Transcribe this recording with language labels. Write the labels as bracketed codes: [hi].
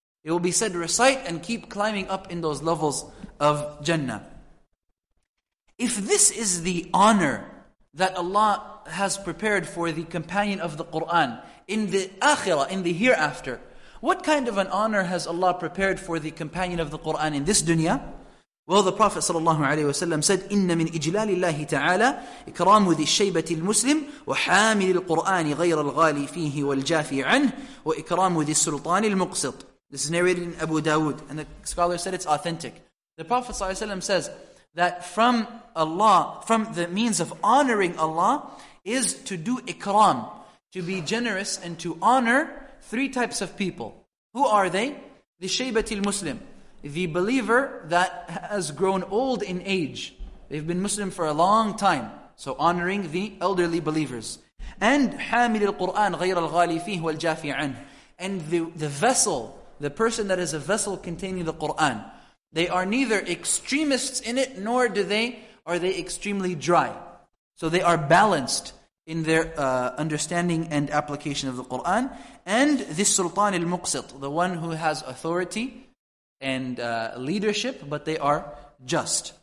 [en] It will be said, recite and keep climbing up in those levels of Jannah. If this is the honor that Allah has prepared for the companion of the Qur'an in the Akhirah, in the hereafter, what kind of an honor has Allah prepared for the companion of the Qur'an in this dunya? Well, the Prophet ﷺ said, [ar] إِنَّ مِنْ إِجْلَالِ اللَّهِ تَعَالَى إِكْرَامُ ذِي الشَّيْبَةِ الْمُسْلِمِ وَحَامِلِ الْقُرْآنِ غَيْرَ الْغَالِي فِيهِ وَالْجَافِي عَنْهِ وَإِكْرَامُ ذِي السُّلْطَانِ الْمُقْسِطِ. [en] This is narrated in Abu Dawood, and the scholar said it's authentic. The Prophet ﷺ says that from Allah, from the means of honoring Allah, is to do ikram, to be generous and to honor three types of people. Who are they? The Shaybati al-Muslim, the believer that has grown old in age. They've been Muslim for a long time. So honoring the elderly believers. [ar] And حامل القرآن غير الغالي فيه والجافي عنه. [en] And the vessel, the person that is a vessel containing the Qur'an. They are neither extremists in it, nor are they extremely dry. So they are balanced in their understanding and application of the Qur'an. And this Sultan al-Muqsit, the one who has authority and leadership, but they are just.